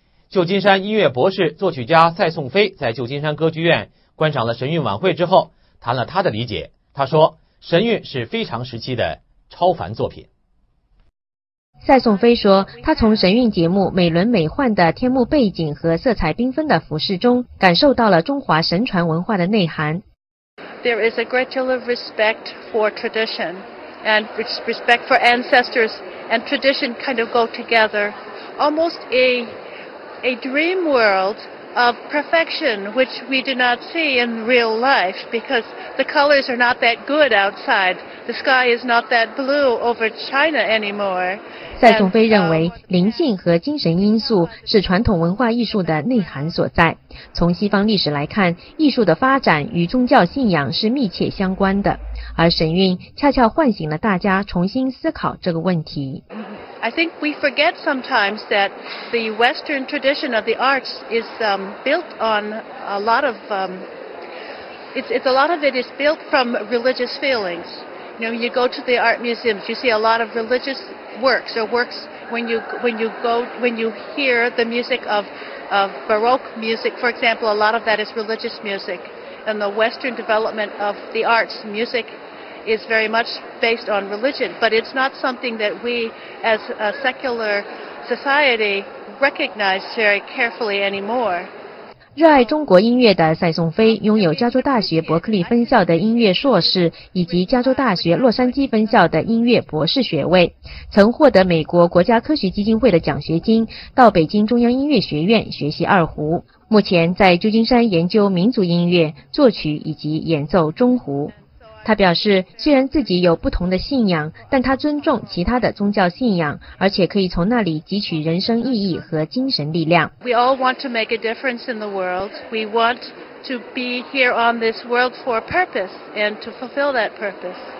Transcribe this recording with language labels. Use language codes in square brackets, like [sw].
[zh] 旧金山音乐博士作曲家赛颂飞在旧金山歌剧院观赏了神韵晚会之后谈了他的理解。他说，神韵是非常时期的超凡作品。赛颂飞说，他从神韵节目美轮美奂的天幕背景和色彩缤纷的服饰中感受到了中华神传文化的内涵。 [en] There is a great deal of respect for traditionand respect for ancestors and tradition kind of go together. Almost a dream world of perfection, which we do not see in real life because the colors are not that good outside. The sky is not that blue over China anymore. [zh] 赛颂飞认为灵性和精神因素是传统文化艺术的内涵所在。从西方历史来看，艺术的发展与宗教信仰是密切相关的。而神韵恰恰唤醒了大家重新思考这个问题。 [en] I think we forget sometimes that the Western tradition of the arts is built on a lot of it's a lot of it is built from religious feelings. You know, you go to the art museums, you see a lot of religious works or works when you hear the music of Baroque music, for example, a lot of that is religious music. And the Western development of the arts, music, is very much based on religion. But it's not something that we, as a secular society, recognize very carefully anymore. [zh] 热爱中国音乐的赛颂飞拥有加州大学伯克利分校的音乐硕士以及加州大学洛杉矶分校的音乐博士学位，曾获得美国国家科学基金会的奖学金，到北京中央音乐学院学习二胡。目前在旧金山研究民族音乐作曲以及演奏中胡。他表示，虽然自己有不同的信仰，但他尊重其他的宗教信仰，而且可以从那里汲取人生意义和精神力量。 [en] We all want to make a difference in the world. We want to be here on this world for a purpose and to fulfill that purpose.